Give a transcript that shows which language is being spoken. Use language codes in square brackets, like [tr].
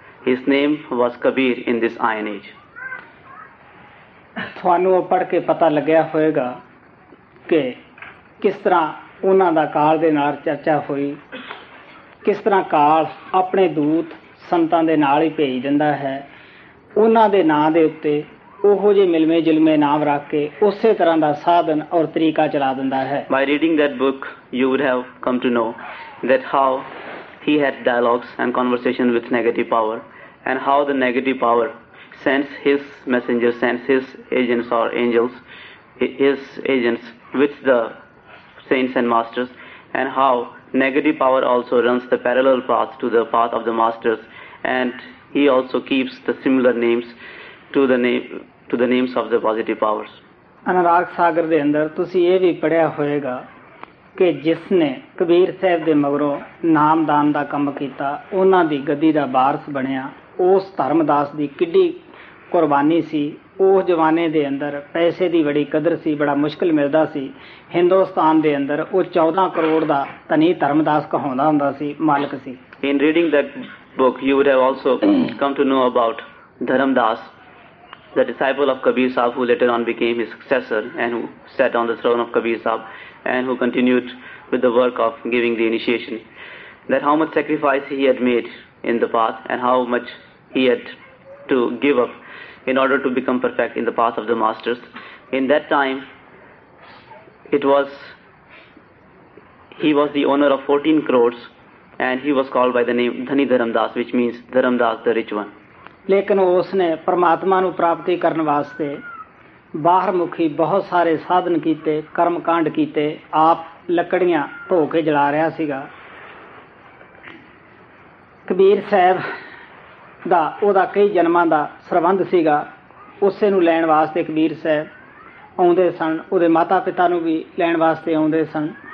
[en] His name was Kabir in this iron age. [pa] ਤੁਹਾਨੂੰ ਉਹ ਪੜ੍ਹ ਕੇ ਪਤਾ ਲੱਗਿਆ ਹੋਵੇਗਾ ਕਿ ਕਿਸ ਤਰ੍ਹਾਂ ਉਹਨਾਂ ਦਾ ਕਾਲ ਦੇ ਨਾਲ ਚਰਚਾ ਹੋਈ ਕਿਸ ਤਰ੍ਹਾਂ ਕਾਲ ਆਪਣੇ ਦੂਤ ਸੰਤਾਂ ਦੇ ਨਾਲ ਹੀ ਭੇਜ ਦਿੰਦਾ ਹੈ ਉਹਨਾਂ ਦੇ ਨਾਂ ਦੇ ਉੱਤੇ ਉਹੋ ਜਿਹੇ ਮਿਲਵੇਂ ਜੁਲਵੇਂ ਨਾਮ ਰੱਖ ਕੇ ਉਸੇ ਤਰ੍ਹਾਂ ਦਾ ਸਾਧਨ ਔਰ ਤਰੀਕਾ ਚਲਾ ਦਿੰਦਾ ਹੈ [en] By reading that book, you would have come to know that how he had dialogues and conversations with negative power and how the negative power sends his messengers, sends his agents or angels, his agents with the saints and masters and how negative power also runs the parallel path to the path of the masters and he also keeps the similar names to the name to the names of the positive powers. [pa] Anurag Sagar de andar tusi eh vi padhya hovega ਕਿ ਜਿਸ ਨੇ ਕਬੀਰ ਸਾਹਿਬ ਦੇ ਮਗਰੋਂ ਨਾਮਦਾਨ ਦਾ ਕੰਮ ਕੀਤਾ ਉਹਨਾਂ ਦੀ ਗੱਦੀ ਦਾ ਵਾਰਸ ਬਣਿਆ ਉਸ ਧਰਮਦਾਸ ਦੀ ਕਿੱਡੀ ਕੁਰਬਾਨੀ ਸੀ ਉਸ ਜਵਾਨੇ ਦੇ ਅੰਦਰ ਪੈਸੇ ਦੀ ਬੜੀ ਕਦਰ ਸੀ ਬੜਾ ਮੁਸ਼ਕਲ ਮਿਲਦਾ ਸੀ ਹਿੰਦੁਸਤਾਨ ਦੇ ਅੰਦਰ ਉਹ 14 crore ਦਾ ਧਨੀ ਧਰਮਦਾਸ ਕਹਾਉਂਦਾ ਹੁੰਦਾ ਸੀ ਮਾਲਕ ਸੀ [en] In reading that book you would have also come to know about Dharamdas the disciple of Kabir Sahib who later on became his successor and who sat on the throne of Kabir Sahib and who continued with the work of giving the initiation, that how much sacrifice he had made in the path and how much he had to give up in order to become perfect in the path of the masters. In that time, he was the owner of 14 crores and he was called by the name Dhani Dharamdas, which means Dharamdas, the rich one. [pa] Lekin usne Paramatma nu prapti karne vaste ਬਾਹਰ ਮੁਖੀ ਬਹੁਤ ਸਾਰੇ ਸਾਧਨ ਕੀਤੇ ਕਰਮ ਕਾਂਡ ਕੀਤੇ ਆਪ ਲੱਕੜੀਆਂ ਧੋ ਕੇ ਜਲਾ ਰਿਹਾ ਸੀਗਾ ਕਬੀਰ ਸਾਹਿਬ ਦਾ ਉਹਦਾ ਕਈ ਜਨਮਾਂ ਦਾ ਸੰਬੰਧ ਸੀਗਾ ਉਸੇ ਨੂੰ ਲੈਣ ਵਾਸਤੇ ਕਬੀਰ ਸਾਹਿਬ ਆਉਂਦੇ ਸਨ ਉਹਦੇ ਮਾਤਾ ਪਿਤਾ ਨੂੰ ਵੀ ਲੈਣ ਵਾਸਤੇ ਆਉਂਦੇ ਸਨ